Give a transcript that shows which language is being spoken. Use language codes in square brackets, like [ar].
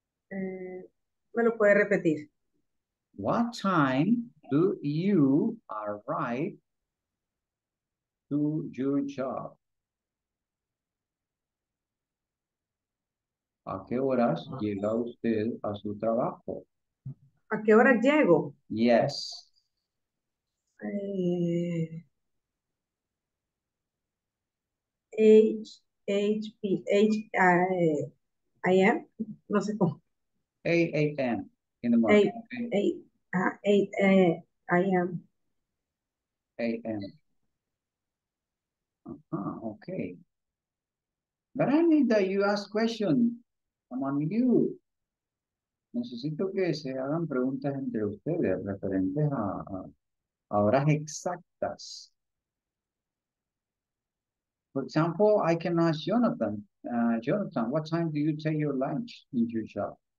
[es] Me lo puede repetir. [en] What time do you arrive to your job? [es] ¿A qué horas llega usted a su trabajo? ¿A qué horas llego? [en] Yes. I am, [es] no sé cómo. [en] 8 a.m. in the morning. I am. A.M. Okay. But I need that you ask questions among you. [es] Necesito que se hagan preguntas entre ustedes referentes a horas exactas. [en] For example, I can ask Jonathan, Jonathan, what time do you take your lunch in your job?